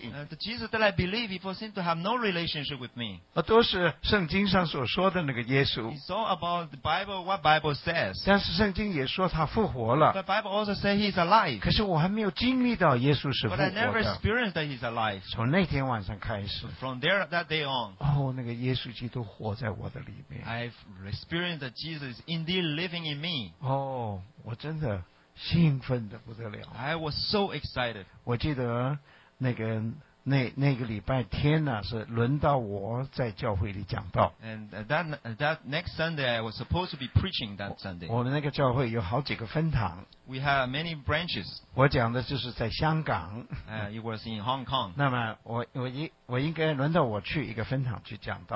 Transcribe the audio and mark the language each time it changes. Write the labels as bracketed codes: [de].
[en] The Jesus that I believe before seemed to have no relationship with me. [zh] 都是圣经上所说的那个耶稣。 [en] It's all about the Bible, what Bible says. [zh] 但是圣经也说他复活了。 [en] The Bible also says he's alive. [zh] 可是我还没有经历到耶稣是复活的。 [en] But I never experienced that he's alive. [zh] 从那天晚上开始。 [en] From there, that day on. [zh] 哦，那个耶稣基督活在我的里面。 [en] I've experienced that Jesus is indeed living in me. [zh] 哦，我真的。兴奋得不得了。 [en] I was so excited. [zh] 我记得那个礼拜天呢，是轮到我在教会里讲道。 [en] And that next Sunday I was supposed to be preaching that Sunday. [zh] 我们那个教会有好几个分堂。 [en] We have many branches. [zh] 我讲的就是在香港。 [en] It was in Hong Kong. [zh] 那么我应该轮到我去一个分堂去讲道。